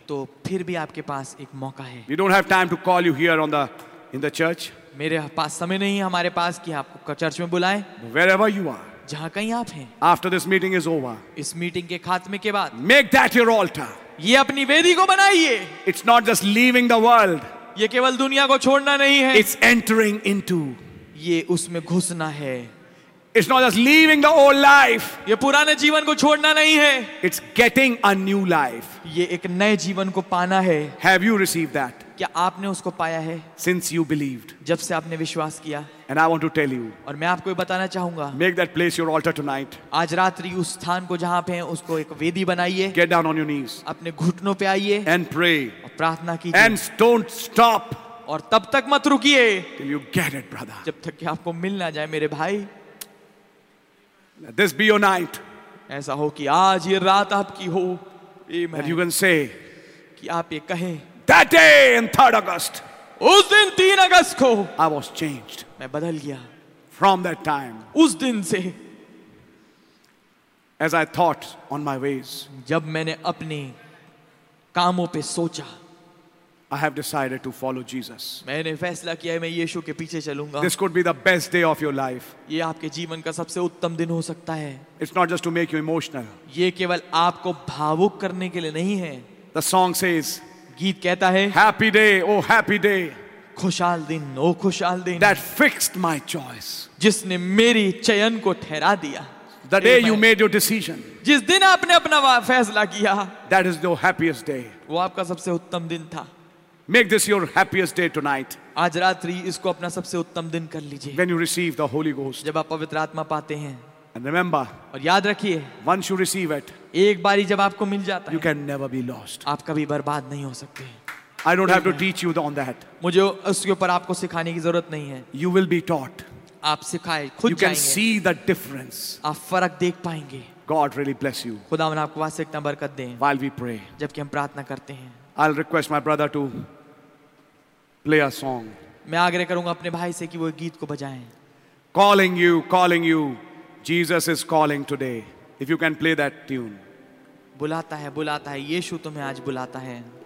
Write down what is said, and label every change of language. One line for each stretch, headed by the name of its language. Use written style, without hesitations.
Hindi: तो फिर भी आपके पास एक मौका है
English: We don't have time to call you here on the, in the church.
Hindi: मेरे पास समय नहीं हमारे पास कि आपको चर्च में बुलाएं
English: Wherever you are.
Hindi: जहां कहीं आप हैं
English: After this meeting is over.
Hindi: इस मीटिंग के खात्मे के बाद
English: Make that your altar.
Hindi: ये अपनी वेदी को बनाइए
English: It's not just leaving the world.
Hindi: ये केवल दुनिया को छोड़ना नहीं है
English: It's entering into
Hindi: ये उसमें घुसना है
English: It's not just leaving the old life.
Hindi: ये पुराने जीवन को छोड़ना नहीं है
English: It's getting a new life.
Hindi: ये एक नए जीवन को पाना है
English: Have you received that?
Hindi: क्या आपने उसको पाया है
English: Since you believed.
Hindi: जब से आपने विश्वास किया
English: And I want to tell you.
Hindi: और मैं आपको ये बताना चाहूंगा
English: Make that place your altar tonight.
Hindi: आज रात्रि उस स्थान को जहां पे हैं उसको एक वेदी बनाइए
English: Get down on your knees.
Hindi: अपने घुटनों पे आइए
English: And pray.
Hindi: और प्रार्थना कीजिए
English: And don't stop.
Hindi: और तब तक मत रुकिए
English: Till you get it, brother.
Hindi: जब तक कि आपको मिल ना जाए मेरे भाई
English: Let this be your night.
Hindi: ऐसा हो कि आज ये रात आपकी हो
English: That you can say,
Hindi: कि आप ये कहें
English: That day in 3rd August,
Hindi: उस दिन 3 अगस्त को
English: I was changed.
Hindi: मैं बदल गया
English: From that time,
Hindi: उस दिन से
English: As I thought on my ways,
Hindi: जब मैंने अपने कामों पे सोचा
English: I have decided to follow Jesus.
Hindi: मैंने फैसला किया है मैं यीशु के पीछे चलूंगा.
English: This could be the best day of your life.
Hindi: ये आपके जीवन का सबसे उत्तम दिन हो सकता है.
English: It's not just to make you emotional.
Hindi: ये केवल आपको भावुक करने के लिए नहीं है.
English: The song says.
Hindi: गीत कहता है.
English: Happy day, oh happy day.
Hindi: खुशहाल दिन, oh खुशहाल दिन.
English: That fixed my choice.
Hindi: जिसने मेरी चयन को ठहरा दिया.
English: The day you made your decision.
Hindi: जिस दिन आपने अपना फैसला किया.
English: That is your happiest day.
Hindi: वो आपका सबसे उत्तम दिन था.
English: Make this your happiest day tonight.
Hindi: आज रात्रि इसको अपना सबसे उत्तम दिन कर लीजिए.
English: When you receive the Holy Ghost.
Hindi: जब आप पवित्र आत्मा पाते हैं.
English: And remember.
Hindi: और याद रखिए.
English: Once you receive it.
Hindi: एक बारी जब आपको मिल जाता है.
English: You can never be lost.
Hindi: आप कभी बर्बाद नहीं हो सकते.
English: I don't have to teach you on that.
Hindi: मुझे उसके ऊपर आपको सिखाने की जरूरत नहीं है.
English: You will be taught.
Hindi: आप सिखाए खुद जाएंगे.
English: You can see the difference.
Hindi: आप फर्क देख पाएंगे.
English: God really bless you.
Hindi: खुदावन आपको वासिकता बरकत दे.
English: While we pray.
Hindi: जबकि हम प्रार्थना करते हैं.
English: I'll request my brother to play a song.
Hindi: मैं आग्रह करूंगा अपने भाई से कि वो गीत को बजाएं.
English: Calling you, Jesus is calling today. If you can play that tune.
Hindi: बुलाता है, यीशु तुम्हें आज बुलाता है.